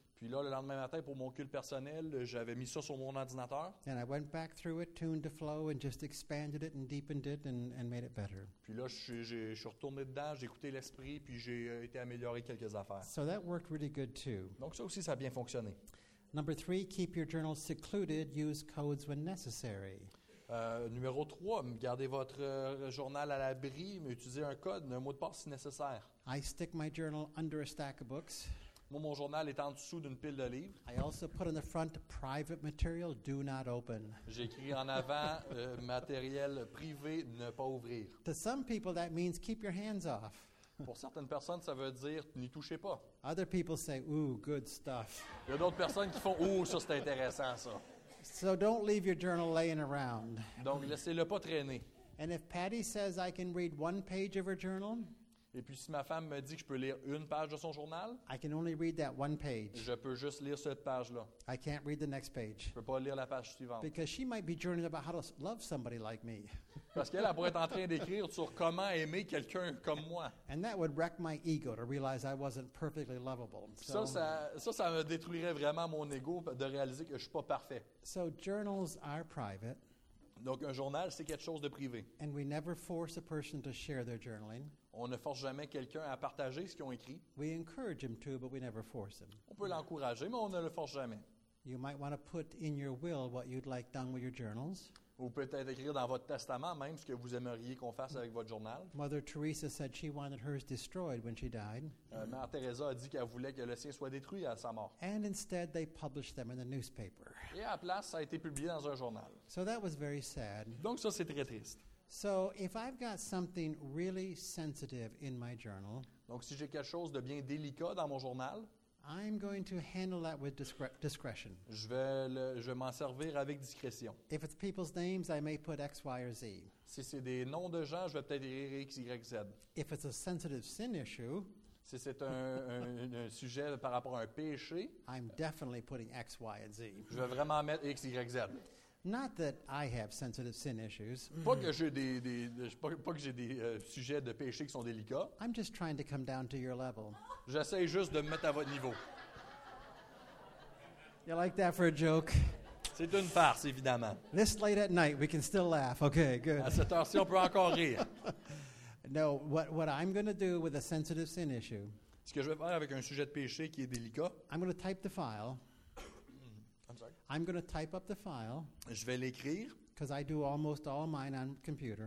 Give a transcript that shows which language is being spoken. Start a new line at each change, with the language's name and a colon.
French: Puis là, le lendemain matin, pour mon culte personnel, j'avais mis ça sur mon ordinateur.
English: And I went back through it, tuned the flow, and just expanded it and deepened it and made it better.
French: Puis là, je suis retourné dedans, j'ai écouté l'esprit, puis j'ai été amélioré quelques affaires.
English: So that worked really good too.
French: Donc ça aussi, ça a bien fonctionné.
English: Number three, keep your journal secluded, use codes when necessary.
French: Numéro 3, gardez votre journal à l'abri, mais utilisez un code, un mot de passe si nécessaire.
English: I stick my journal under a stack of books.
French: Moi, mon journal est en dessous d'une pile de livres.
English: I also put on the front private material, do not open.
French: J'écris en avant matériel privé, ne pas ouvrir.
English: To some people, that means keep your hands off.
French: Pour certaines personnes, ça veut dire n'y touchez pas.
English: Other people say, ooh, good stuff.
French: Il y a d'autres personnes qui font, ooh, ça c'est intéressant, ça.
English: So don't leave your journal laying around.
French: Donc laissez-le pas traîner.
English: And if Patty says I can read one page of her journal,
French: et puis si ma femme me dit que je peux lire une page de son journal,
English: I can only read that one page.
French: Je peux juste lire cette page-là.
English: I can't read the next page.
French: Je peux pas lire la page suivante.
English: Because she might be journaling about how to love somebody like me.
French: Parce qu'elle pourrait être en train d'écrire sur comment aimer quelqu'un comme moi.
English: And that would wreck my ego to realize I wasn't perfectly lovable.
French: So, ça me détruirait vraiment mon ego de réaliser que je suis pas parfait.
English: So journals are private.
French: Donc un journal, c'est quelque chose de privé.
English: And we never force a person to share their journaling.
French: On ne force jamais quelqu'un à partager ce qu'ils ont écrit.
English: We encourage him to, but we never force him.
French: On peut l'encourager, mais on ne le force jamais.
English: You might want to put in your will what you'd like done with your journals.
French: Ou peut-être écrire dans votre testament même ce que vous aimeriez qu'on fasse avec votre journal.
English: Mother Teresa said she wanted hers destroyed when she died.
French: Mère Teresa a dit qu'elle voulait que le sien soit détruit à sa mort.
English: And instead they published them in the newspaper.
French: Et à la place, ça a été publié dans un journal.
English: So that was very sad.
French: Donc ça, c'est très triste.
English: So if I've got something really sensitive in my journal,
French: donc si j'ai quelque chose de bien délicat dans mon journal,
English: I'm going to handle that with discretion.
French: Je vais m'en servir avec discrétion.
English: If it's people's names, I may put X, Y, or Z.
French: Si c'est des noms de gens, je vais peut-être écrire X, Y, Z.
English: If it's a sensitive sin issue,
French: si c'est un sujet par rapport à un péché,
English: I'm definitely putting X, Y, and Z.
French: Je vais vraiment mettre X, Y, Z.
English: Not that I have sensitive sin issues.
French: Pas que j'ai des sujets de péché qui sont délicats.
English: I'm just trying to come down to your level.
French: J'essaie juste de me mettre à votre niveau.
English: You like that for a joke?
French: C'est une farce, évidemment.
English: This late at night, we can still laugh. Okay, good.
French: À cette heure-ci, on peut encore rire.
English: No, what I'm going to do with a sensitive sin issue?
French: Ce que je vais faire avec un sujet de péché qui est délicat?
English: I'm going to type the file. I'm going to type up the file.
French: Je vais l'écrire.
English: Because I do almost all mine on computer.